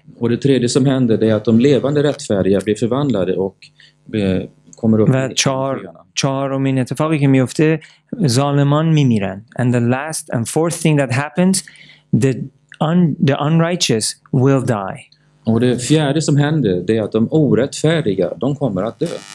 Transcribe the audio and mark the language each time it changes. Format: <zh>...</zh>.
<sv>Och det tredje som händer är att de levande rättfärdiga blir förvandlade och kommer upp.</sv> <fa>و چهارمین اتفاقی که میفته ظالمان میمیرند.</fa> <en>And the last and fourth thing that happens the unrighteous will die.</en> <sv>Och det fjärde som händer det är att de orättfärdiga de kommer att dö.</sv>